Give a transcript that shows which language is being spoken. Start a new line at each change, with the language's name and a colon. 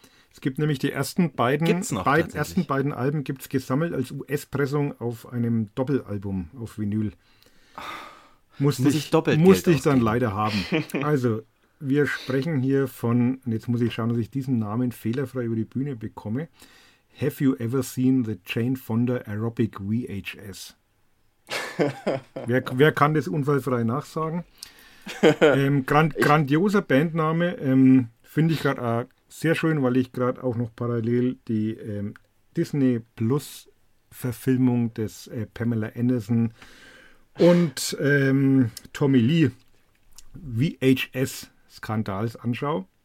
German: Es gibt nämlich die ersten beiden, Alben gibt es gesammelt als US-Pressung auf einem Doppelalbum auf Vinyl. Musste ich dann leider haben. Also, wir sprechen hier von, und jetzt muss ich schauen, dass ich diesen Namen fehlerfrei über die Bühne bekomme.
English: Have you ever seen the Jane Fonda Aerobic VHS?
German: Wer kann das unfallfrei nachsagen? Grandioser Bandname, finde ich gerade sehr schön, weil ich gerade auch noch parallel die Disney Plus Verfilmung des Pamela Anderson und Tommy Lee VHS Skandals anschaue.